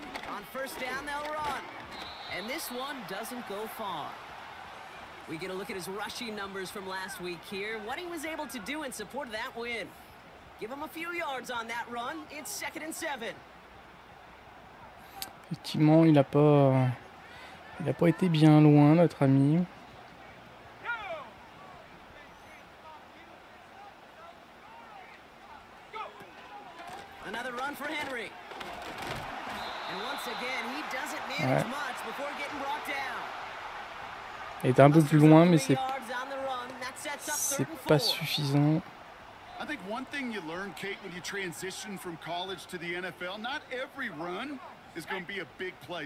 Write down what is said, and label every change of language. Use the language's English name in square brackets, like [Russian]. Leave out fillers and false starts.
[English] On first down, they'll run. And this one doesn't go far. We get a look at his rushing numbers from last week here. What he was able to do in support of that win. Give him a few yards on that run. It's second and seven. [French] Effectivement, il a pas été bien loin, notre ami. [English] Another run for Henry. And once again, he doesn't manage much before getting brought down. [French] Il était un peu plus loin, mais c'est pas suffisant. [English] I think one thing you learn, Kate, when you transition from college to the NFL, not every run is going to be a big play.